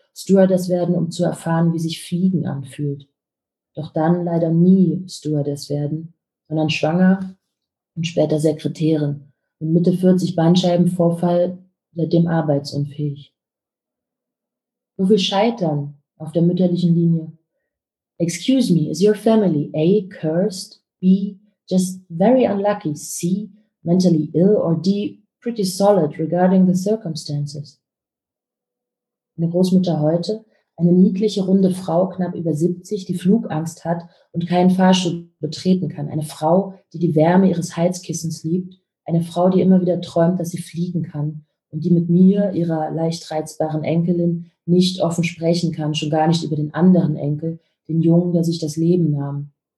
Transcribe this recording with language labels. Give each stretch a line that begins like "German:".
German: Stewardess werden, um zu erfahren, wie sich Fliegen anfühlt. Doch dann leider nie Stewardess werden, sondern schwanger und später Sekretärin. Mit Mitte 40 Bandscheibenvorfall, seitdem arbeitsunfähig. So viel Scheitern auf der mütterlichen Linie.
English: Excuse me, is your family A, cursed, B, just very unlucky, C, mentally ill, or D, pretty solid regarding the circumstances?
German: Meine Großmutter heute, eine niedliche, runde Frau, knapp über 70, die Flugangst hat und keinen Fahrstuhl betreten kann. Eine Frau, die die Wärme ihres Heizkissens liebt. Eine Frau, die immer wieder träumt, dass sie fliegen kann und die mit mir, ihrer leicht reizbaren Enkelin, nicht offen sprechen kann, schon gar nicht über den anderen Enkel, den Jungen, der sich das Leben nahm.